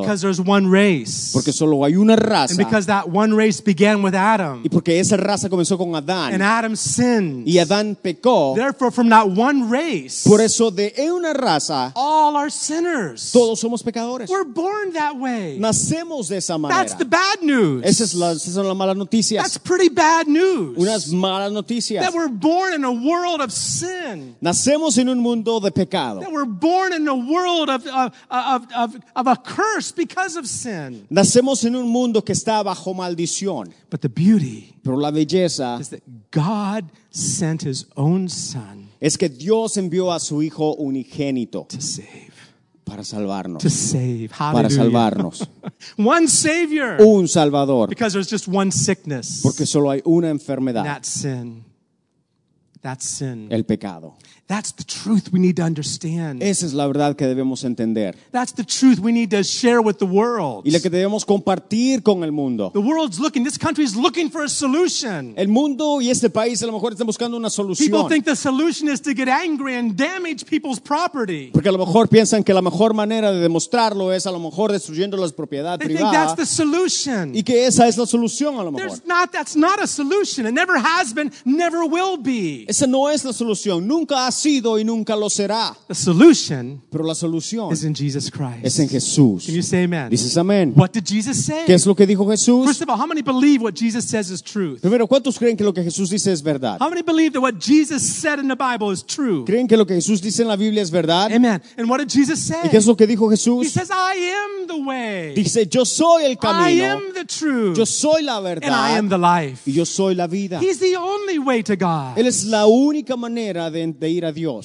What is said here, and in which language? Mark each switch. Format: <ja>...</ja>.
<en>Because there's one race.</en> <es>Porque solo hay una raza.</es> <en>And because that one race began with Adam.</en> <es>Y porque esa raza comenzó con Adán.</es> <en>And Adam sinned.</en> <es>Y Adán pecó.</es> <en>Therefore, from that one race,</en> <es>por eso de una raza,</es> <en>all are sinners.</en> <es>Todos somos pecadores.</es> <en>We're born that way.</en> <es>Nacemos.</es> <en>That's the bad news.</en> <es>Esas son las malas noticias.</es> <en>That's pretty bad news.</en> <es>Unas malas noticias.</es> <en>That we're born in a world of sin.</en> <es>Nacemos en un mundo de pecado.</es> <en>That we're born in a world of a curse because of sin.</en> <es>Nacemos en un mundo que está bajo maldición.</es> <en>But the beauty,</en> <es>pero la belleza,</es> <en>is that God sent His own Son.</en> <es>Es que Dios envió a su hijo unigénito.</es> <en>To save.</en> <es>Para salvarnos.</es> <en>To save. Hallelujah.</en> <es>Para salvarnos.</es> <en>One Savior.</en> <es>Un Salvador.</es> <en>Because there's just one sickness.</en> <es>Porque solo hay una enfermedad.</es> <en>That's sin. That's sin.</en> <es>El pecado.</es> <en>That's the truth we need to understand.</en> <es>Esa es la verdad que debemos entender.</es> <en>That's the truth we need to share with the world.</en> <es>Y la que debemos compartir con el mundo.</es> <en>The world's looking. This country is looking for a solution.</en> <es>El mundo y este país a lo mejor están buscando una solución.</es> <en>People think the solution is to get angry and damage people's property.</en> <es>Porque a lo mejor piensan que la mejor manera de demostrarlo es a lo mejor destruyendo las propiedades privadas.</es> <en>They think that's the solution.</en> <es>Y que esa es la solución a lo mejor.</es> <en>There's not. That's not a solution. It never has been. Never will be.</en> <es>Esa no es la solución. Nunca ha sido y nunca lo será.</es> <en>The solution,</en> <es>pero la solución,</es> <en>is in Jesus Christ.</en> <es>Es en Jesús.</es> <en>Can you say amen?</en> <es>Dices amén.</es> <en>What did Jesus say?</en> <es>¿Qué es lo que dijo Jesús?</es> <en>First of all, how many believe what Jesus says is truth?</en> <es>Primero, ¿cuántos creen que lo que Jesús dice es verdad?</es> <en>How many believe that what Jesus said in the Bible is true?</en> <es>¿Creen que lo que Jesús dice en la Biblia es verdad?</es> <en>Amen. And what did Jesus say?</en> <es>¿Y qué es lo que dijo Jesús?</es> <en>He says, I am the way.</en> <es>Dice, yo soy el camino.</es> <en>I am the truth.</en> <es>Yo soy la verdad.</es> <en>And I am the life.</en> <es>Y yo soy la vida.</es> <en>He's the only way to God.</en> <es>Él es la única manera de ir a Dios.</es>